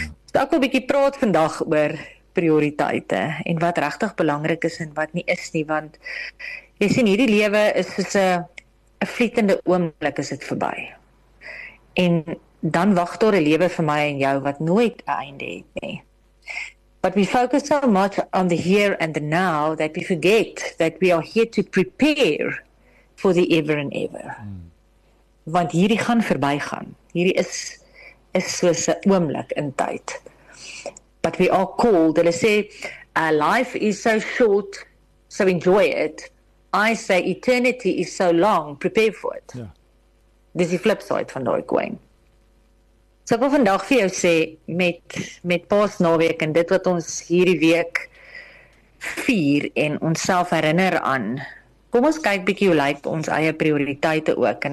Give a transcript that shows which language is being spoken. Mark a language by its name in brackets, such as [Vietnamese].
[Afrikaans] So ek wil bietjie praat vandag oor prioriteite en wat regtig belangrik is en wat nie is nie, want jy sien, hierdie lewe is soos 'n vlietende oomblik, is dit verby. En dan wag daar 'n lewe vir my en jou wat nooit 'n einde het nie. [English] But we focus so much on the here and the now that we forget that we are here to prepare for the ever and ever. [Afrikaans] Mm. Want hierdie gaan verbygaan. Hierdie is soos 'n oomblik in tyd. [English] But we are called. [Afrikaans] Hulle sê, [English] life is so short, so enjoy it. I say eternity is so long, prepare for it. Yeah. [Afrikaans] Dis die flip side van daai koin. So ek wil vandag vir jou sê, met Paasnaweek en dit wat ons hierdie week vier en onsself herinner aan, kom ons kyk bietjie hoe lyk ons eie prioriteite ook.